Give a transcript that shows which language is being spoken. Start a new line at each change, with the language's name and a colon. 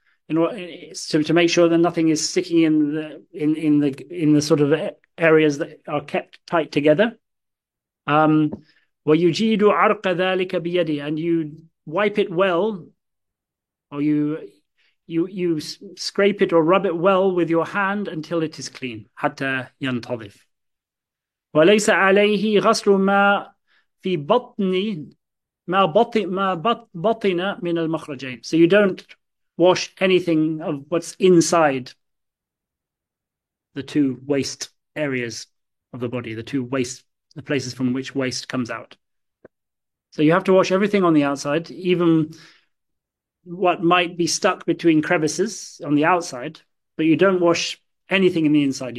English: To make sure that nothing is sticking in the sort of areas that are kept tight together.
Arabic: وَيُجِيدُ عَرْقَ ذَلِكَ بِيَدِهِ,
English: and you wipe it well, or you scrape it or rub it well with your hand until it is clean.
Arabic: حَتَّى يَنْتَظِفْ. وَلَيْسَ عَلَيْهِ غَسْلُ مَا فِي بَطْنِهِ ما بطن من المخرجين.
English: So you don't wash anything of what's inside the two waste areas of the body, the places from which waste comes out. So you have to wash everything on the outside, even what might be stuck between crevices on the outside, but you don't wash anything in the inside.